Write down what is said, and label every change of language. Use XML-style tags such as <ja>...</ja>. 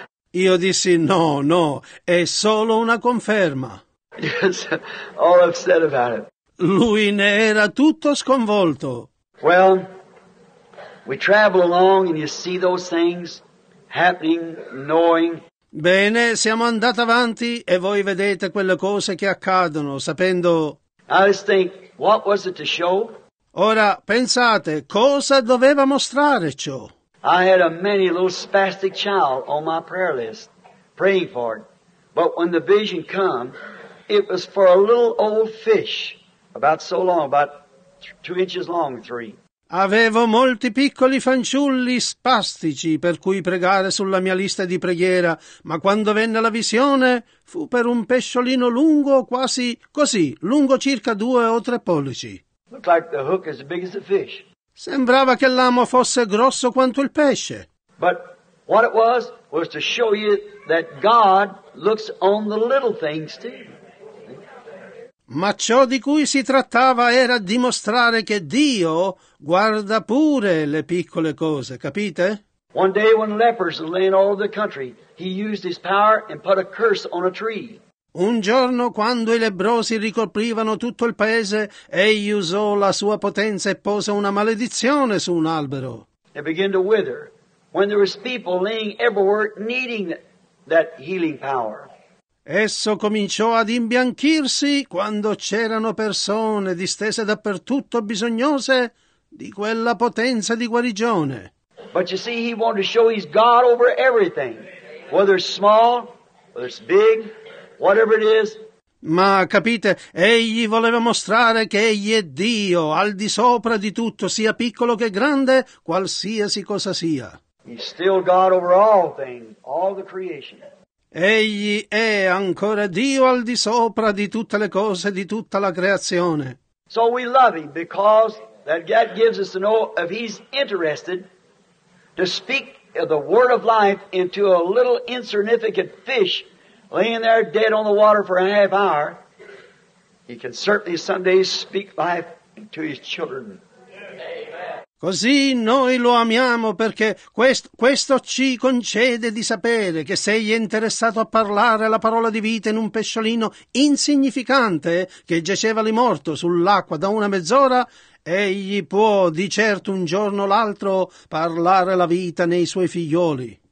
<it>Io dissi, no, è solo una conferma.</it> <en>Yes, all upset about it.</en> <it>Lui ne era tutto sconvolto.</it> <en>Well, we travel along and you see those things happening, knowing.</en> <it>Bene, siamo andati avanti e voi vedete quelle cose che accadono, sapendo.</it> <en>I just think, what was it to show?</en> <it>Ora, pensate, cosa doveva mostrare ciò?</it> <en>I had a many little spastic child on my prayer list, praying for it. But when the vision come, it was for a little old fish, about so long, about 2 inches long, 3.</en> <it>Avevo molti piccoli fanciulli spastici per cui pregare sulla mia lista di preghiera, ma quando venne la visione fu per un pesciolino lungo, quasi così, lungo circa 2 o 3 pollici.</it> <en>Looked like the hook as big as the fish.</en> <it>Sembrava che l'amo fosse grosso quanto il pesce.</it> <en>But what it was to show you that God looks on the little things too.</en> <it>Ma ciò di cui si trattava era dimostrare che Dio guarda pure le piccole cose, capite?</it> <en>One day when lepers lay in all the country, he used his power and put a curse on a tree.</en> <it>Un giorno, quando i lebbrosi ricoprivano tutto il paese, egli usò la sua potenza e pose una maledizione su un albero.</it> <en>It began to wither when there was people laying everywhere needing that healing power.</en> <it>Esso cominciò ad imbianchirsi quando c'erano persone distese dappertutto bisognose di quella potenza di guarigione.</it> <en>But you see, he wanted to show he's God over everything, whether it's small, whether it's big, whatever it is.</en> <it>Ma capite, egli voleva mostrare che egli è Dio, al di sopra di tutto, sia piccolo che grande, qualsiasi cosa sia.</it> <en>He's still God over all things, all the creation.</en> <it>Egli è ancora Dio al di sopra di tutte le cose, di tutta la creazione.</it> <en>So we love him because that gives us to know if he's interested to speak the word of life into a little insignificant fish laying there dead on the water for a half hour. He can certainly someday speak life to his children.</en> <it>Così noi lo amiamo perché questo ci concede di sapere che se egli è interessato a parlare la parola di vita in un pesciolino insignificante che giaceva lì morto sull'acqua da una mezz'ora, egli può di certo un giorno o l'altro parlare la vita nei suoi figlioli.</it>